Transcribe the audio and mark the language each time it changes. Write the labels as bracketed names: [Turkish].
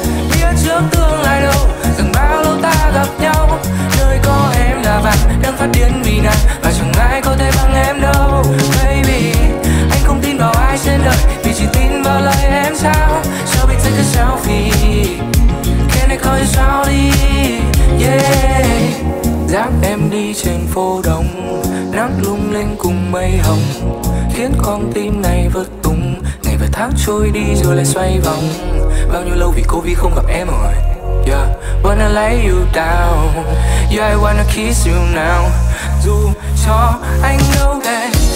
[Vietnamese] Biết trước tương lai đâu, từng bao lâu ta gặp nhau, nơi có em là bạn đang phát điên vì nàng, và chẳng ai có thể bằng em đâu, baby. Anh không tin vào ai trên đời, vì chỉ tin vào lời em trao. [English] So we take a selfie, can I call you selfie? Yeah. [Vietnamese] Dắt em đi trên phố đông, nắng lung linh cùng mây hồng, khiến con tim này vỡ tung. Tháng trôi đi rồi lại xoay vòng. Bao nhiêu lâu vì Covid không gặp em rồi. [English] Yeah, wanna lay you down. Yeah, I wanna kiss you now. [Vietnamese] Dù cho anh đâu đây,